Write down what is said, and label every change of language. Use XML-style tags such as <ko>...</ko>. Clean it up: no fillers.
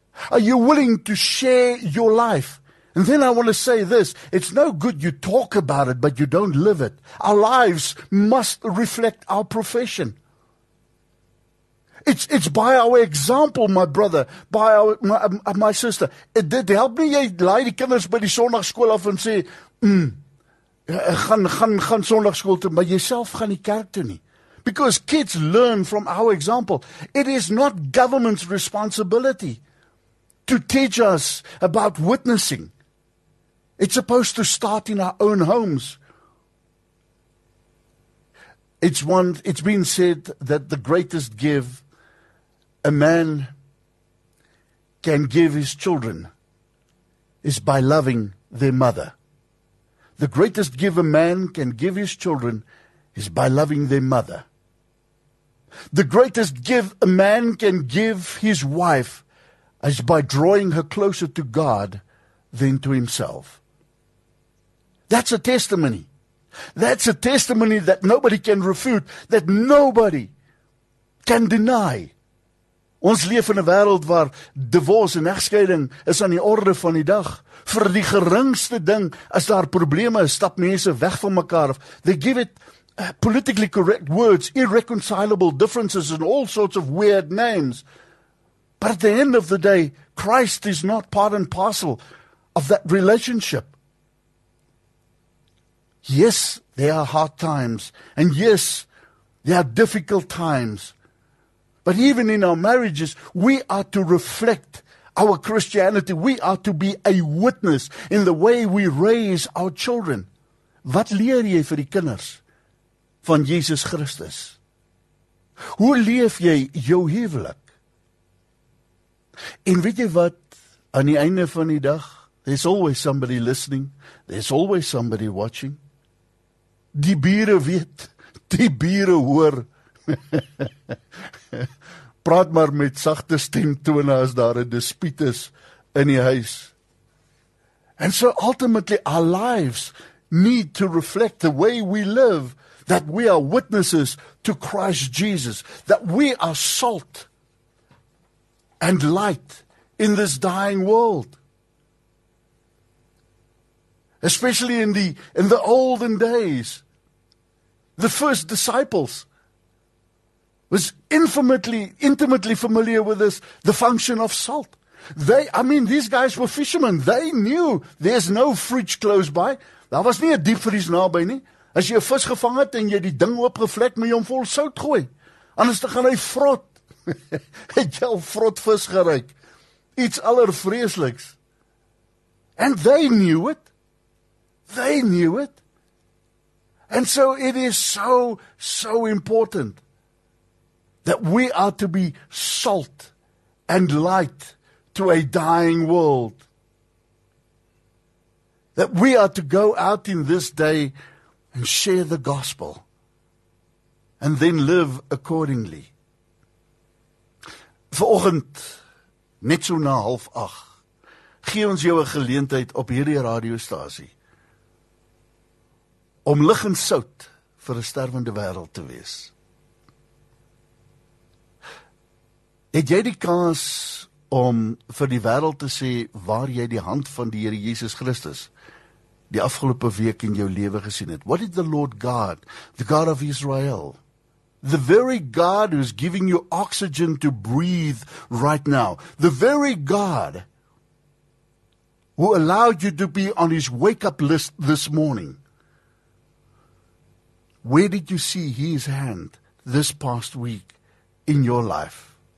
<en>Are you willing to share your life? And then I want to say this, it's no good you talk about it, but you don't live it. Our lives must reflect our profession. It's by our example, my brother, by our my sister. It did help me,</en> <af>jy laai die kinders by die sonnaarskool af en sê, gaan sonnaarskool toe, maar jyself gaan die kerk toe nie.</af> <en>Because kids learn from our example. It is not government's responsibility to teach us about witnessing. It's supposed to start in our own homes. It's been said that the greatest gift a man can give his children is by loving their mother. The greatest gift a man can give his children is by loving their mother. The greatest gift a man can give his wife is by drawing her closer to God than to himself. That's a testimony. That's a testimony that nobody can refute, that nobody can deny.</en> <af>Ons leef in 'n wêreld waar divorce en egskeiding is aan die orde van die dag. Vir die geringste ding, as daar probleme is, stap mense weg van mekaar.</af> <en>They give it politically correct words, irreconcilable differences and all sorts of weird names. But at the end of the day, Christ is not part and parcel of that relationship. Yes, there are hard times. And yes, there are difficult times. But even in our marriages, we are to reflect our Christianity. We are to be a witness in the way we raise our children.</en> <af>Wat leer jy vir die kinders van Jesus Christus? Hoe leef jy jou huwelik? En weet jy wat, aan die einde van die dag,</af> <en>there's always somebody listening, there's always somebody watching.</en> <af>Die bure weet, die bure hoor. Praat maar met sagte stemtone as daar 'n dispuut is in die huis.</af> <en>And so ultimately our lives need to reflect the way we live, that we are witnesses to Christ Jesus, that we are salt and light in this dying world. Especially in the olden days, the first disciples was intimately familiar with this, the function of salt. These guys were fishermen. They knew there's no fridge close by.</en> <af>Daar was nie 'n diepvries naby nie. As jy 'n vis gevang het en jy die ding oopgevlek, moet jy hom vol sout gooi. Anders dan gaan hy vrot. Het jy al vrot vis geruik? Iets allervreesliks.</af> <en>And they knew it. They knew it. And so it is so, so important that we are to be salt and light to a dying world. That we are to go out in this day and share the gospel and then live accordingly.</en> <af>Vanoggend, net so na 7:30, gee ons jou 'n geleentheid op hierdie radiostasie om lig en sout vir 'n sterwende wêreld te wees. Het jy die kans om vir die wêreld te sê waar jy die hand van die Here Jesus Christus die afgelope week in jou lewe gesien het?</af> <en>What did the Lord God, the God of Israel, the very God who's giving you oxygen to breathe right now, the very God who allowed you to be on his wake-up list this morning, where did you see his hand this past week in your life?</en>